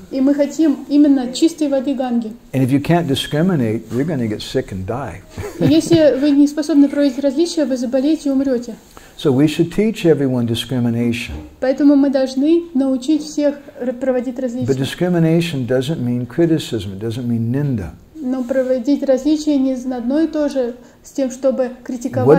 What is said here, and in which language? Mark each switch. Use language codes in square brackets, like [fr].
[ru] И мы хотим именно чистой воды Ганги. [en] And if you can't discriminate, you're going to get sick and die. [ru] Если вы не способны проводить различия, вы заболеете и умрете. [en] So we should teach everyone discrimination. [ru] Поэтому мы должны научить всех проводить различия. [en] But discrimination doesn't mean criticism. It doesn't mean ninda. [ru] Но проводить различия не одно и то же с тем, чтобы критиковать.